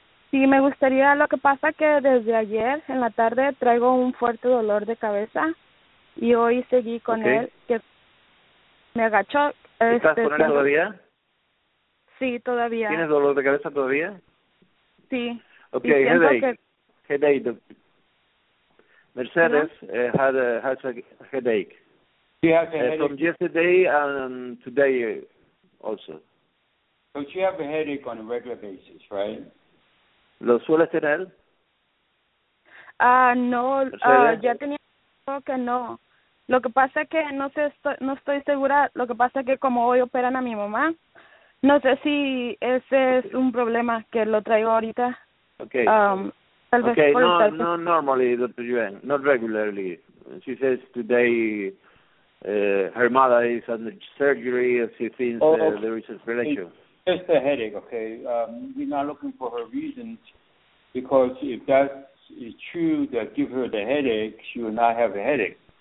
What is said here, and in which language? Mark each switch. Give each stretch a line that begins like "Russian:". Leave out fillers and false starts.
Spanish: Sí, me gustaría, lo que pasa que desde ayer en la tarde traigo un fuerte dolor de cabeza y hoy seguí con él, que me agachó. ¿Estás con él todavía? Sí, todavía. ¿Tienes dolor de cabeza todavía? Sí.
English: Ok, headache. Mercedes has a headache. She has a headache. From yesterday and today also. So she have a headache on a regular basis, right?
Spanish: ¿Lo sueles tener? No, ya tenía que no. Lo que pasa que no estoy segura, lo que pasa que como hoy operan a mi mamá, no sé si ese es un problema que lo traigo ahorita.
English: Okay, no normally, Dr. Yuan, not regularly. She says today her mother is under surgery and she thinks there is a relation. Just a headache, okay? We're not looking for her reasons, because if that is true, that give her the headache, she will not have a headache.